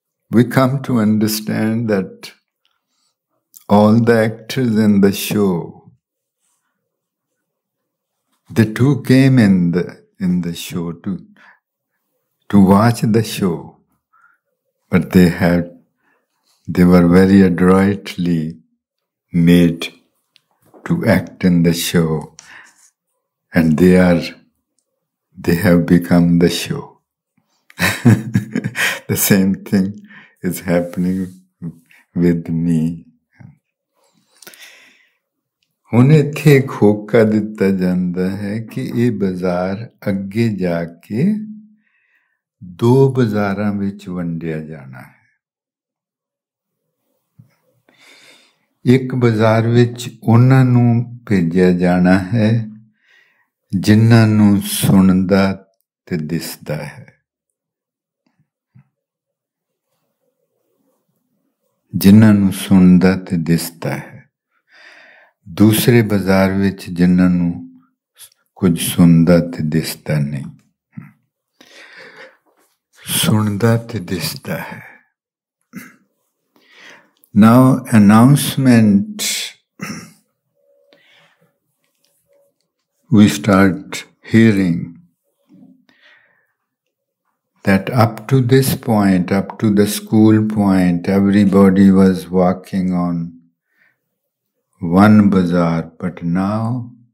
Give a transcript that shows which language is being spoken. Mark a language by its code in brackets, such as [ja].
[en] We come to understand that all the actors in the show they too came in the show to watch the show, but they were very adroitly made to act in the show, and they have become the show. The same thing is happening with me. [pa] ਹੁਣ ਇੱਥੇ ਇੱਕ ਹੋਕਾ ਦਿੱਤਾ ਜਾਂਦਾ ਹੈ ਕਿ ਇਹ ਬਾਜ਼ਾਰ ਅੱਗੇ ਜਾ ਕੇ ਦੋ ਬਾਜ਼ਾਰਾਂ ਵਿੱਚ ਵੰਡਿਆ ਜਾਣਾ ਹੈ। ਇੱਕ ਬਾਜ਼ਾਰ ਵਿੱਚ ਉਹਨਾਂ ਨੂੰ ਭੇਜਿਆ ਜਾਣਾ ਹੈ ਜਿਨ੍ਹਾਂ ਨੂੰ ਸੁਣਦਾ ਅਤੇ ਦਿਸਦਾ ਹੈ, ਜਿਨ੍ਹਾਂ ਨੂੰ ਸੁਣਦਾ ਅਤੇ ਦਿਸਦਾ ਹੈ। ਦੂਸਰੇ ਬਾਜ਼ਾਰ ਵਿੱਚ ਜਿਨ੍ਹਾਂ ਨੂੰ ਕੁਝ ਸੁਣਦਾ ਅਤੇ ਦਿਸਦਾ ਨਹੀਂ, ਸੁਣਦਾ ਅਤੇ ਦਿਸਦਾ ਹੈ। [en] now announcement we start hearing that up to this point, up to the school point, everybody was walking on one bazaar, but now